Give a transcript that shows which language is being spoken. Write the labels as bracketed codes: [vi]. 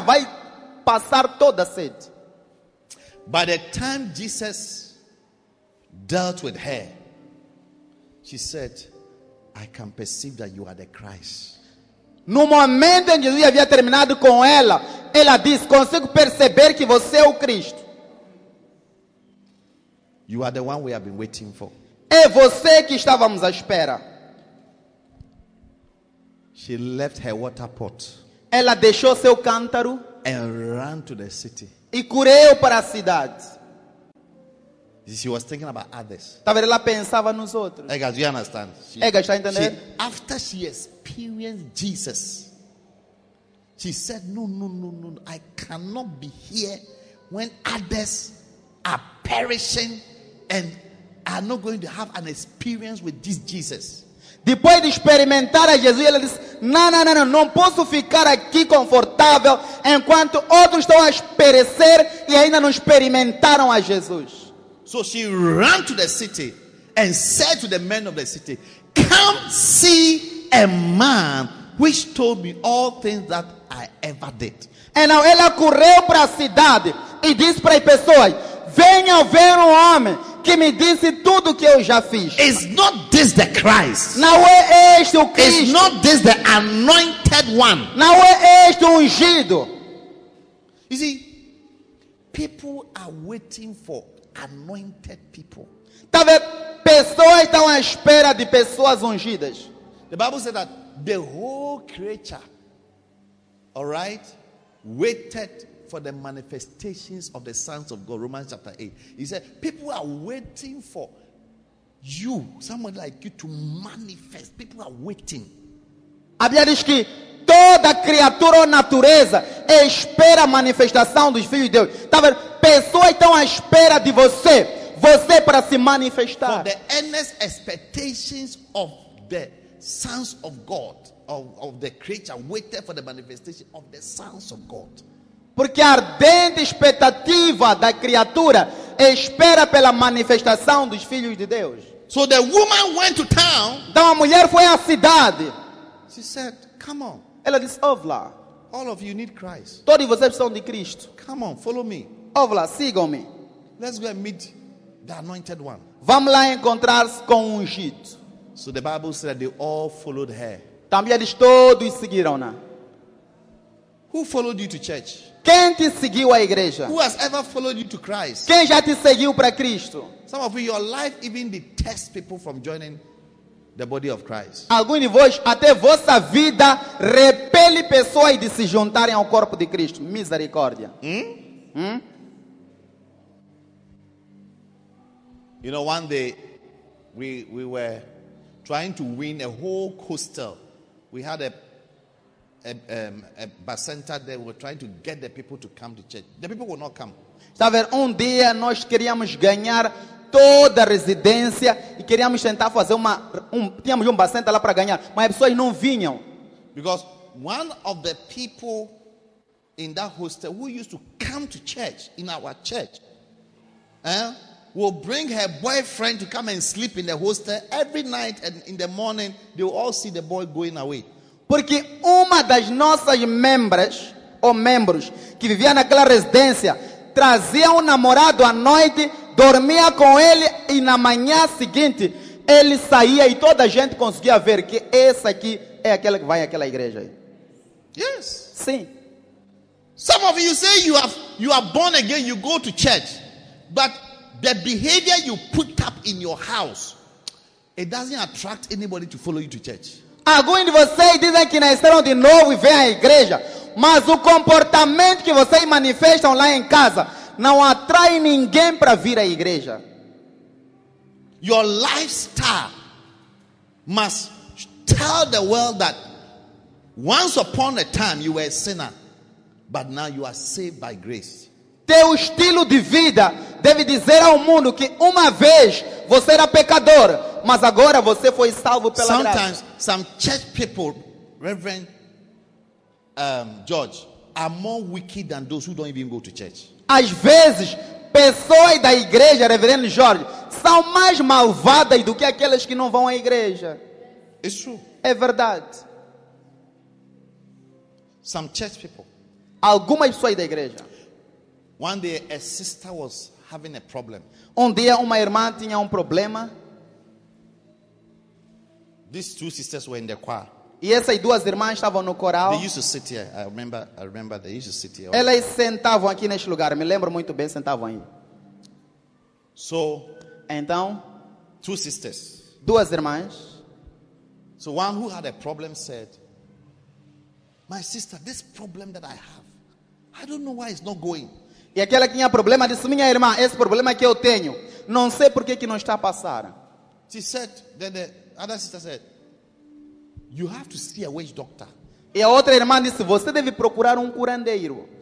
[pt] Vai passar toda a sede." [en] By the time Jesus dealt with her, she said, "I can perceive that you are the Christ." [pt] No momento em que Jesus havia terminado com ela, ela disse, "Consigo perceber que você é o Cristo." [en] "You are the one we have been waiting for." [pt] É você que estávamos à espera. [en] She left her water pot. [pt] Ela deixou seu cântaro. [en] And ran to the city. [pt] E correu para a cidade. [en] She was thinking about others. [pt] Tava ela pensava nos outros. [en] Hey guys, you understand? After she experienced Jesus, she said, "No. I cannot be here when others are perishing and are not going to have an experience with this Jesus." [pt] Depois de experimentar a Jesus, ela disse, não posso ficar aqui confortável enquanto outros estão a perecer e ainda não experimentaram a Jesus. [en] So she ran to the city and said to the men of the city, "Come see a man which told me all things that I ever did." [pt] Então ela correu para a cidade e disse para as pessoas, "Venham ver um homem que me disse tudo que eu já fiz." [en] Is not this the Christ? [pt] Não é este o Cristo? [en] Is not this the anointed one? [pt] Não é este o ungido? [en] You see, people are waiting for anointed people. [pt] Tá vendo? Pessoas estão à espera de pessoas ungidas. [en] The Bible said that the whole creature, all right, waited for the manifestations of the sons of God. Romans chapter 8. He said, people are waiting for you, someone like you, to manifest. People are waiting. [pt] A Bíblia diz que toda criatura ou natureza espera a manifestação dos filhos de Deus. Tá vendo? Pessoas estão à espera de você. Você para se manifestar. [en] For the earnest expectations of the sons of God, of the creature, waited for the manifestation of the sons of God. [pt] Porque a ardente expectativa da criatura espera pela manifestação dos filhos de Deus. [en] So the woman went to town. [pt] Então a mulher foi à cidade. [en] She said, "Come on." [pt] Ela disse, "Ovla, [en] all of you need Christ. [pt] Todos vocês precisam de Cristo. [en] Come on, follow me. [pt] Ovla, sigam-me. [en] Let's go and meet the anointed one." [pt] Vamos lá encontrar-se com o ungido. [en] So the Bible said they all followed her. [pt] Também eles todos seguiram-na. [en] Who followed you to church? [pt] Quem te seguiu à igreja? [en] Who has ever followed you to Christ? [pt] Quem já te seguiu para Cristo? [en] Some of you, your life even detests people from joining the body of Christ. [pt] Alguns de vós, até vossa vida repele pessoas de se juntarem ao corpo de Cristo. Misericórdia. [en] You know, one day we were trying to win a whole hostel. We had a bus center there. We were trying to get the people to come to church. The people would not come. [pt] Estava um dia nós queríamos ganhar toda a residência e queríamos tentar fazer tínhamos um bus center lá para ganhar, mas as pessoas não vinham. [en] Because one of the people in that hostel who used to come to church in our church, will bring her boyfriend to come and sleep in the hostel every night, and in the morning they will all see the boy going away. [pt] Porque uma das nossas membros que vivia naquela residência trazia um namorado à noite, dormia com ele e na manhã seguinte ele saía e toda a gente conseguia ver que esse aqui é aquele que vai àquela igreja. [en] Yes. [pt] Sim. [en] Some of you say you are born again, you go to church, but the behavior you put up in your house, It doesn't attract anybody to follow you to church. [pt] Alguns de vocês dizem que nasceram de novo e vêm à igreja, mas o comportamento que vocês manifestam lá em casa não atrai ninguém para vir à igreja. [en] Your lifestyle must tell the world that once upon a time you were a sinner, but now you are saved by grace. [pt] Teu estilo de vida deve dizer ao mundo que uma vez você era pecador, mas agora você foi salvo pela graça. [en] Sometimes some church people, Reverend George, are more wicked than those who don't even go to church. [pt] Às vezes, pessoas da igreja, Reverendo Jorge, são mais malvadas do que aquelas que não vão à igreja. [en] It's true. [pt] É verdade. [en] Some church people. [pt] Algumas pessoas da igreja. [en] One day a sister was having a problem. [pt] Um dia uma irmã tinha problema. [en] These two sisters were in the choir. [pt] E essas duas irmãs estavam no coral. [en] They used to sit here. I remember they used to sit here. [pt] Elas sentavam aqui neste lugar. Me lembro muito bem, sentavam aí. [en] So, [pt] então, [en] two sisters. [pt] Duas irmãs. [en] So one who had a problem said, "My sister, this problem that I have, I don't know why it's not going." [pt] E aquela que tinha problema disse, minha irmã, esse problema que eu tenho, não sei por que não está a passar. [en] She said, then the other sister said, "You have to see a witch doctor." [pt] E a outra irmã disse, você deve procurar curandeiro.